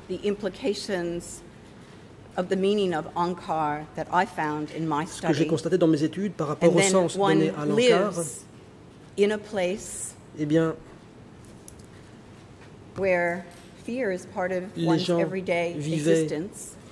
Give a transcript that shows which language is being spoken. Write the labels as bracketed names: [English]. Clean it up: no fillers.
[English] Through the implications of the meaning of Angkor that I found in my study. [French] Ce que j'ai constaté dans mes études par rapport au sens donné à l'Angkor. [English] In a place, [French] eh bien, [English] where fear is part of one's everyday existence,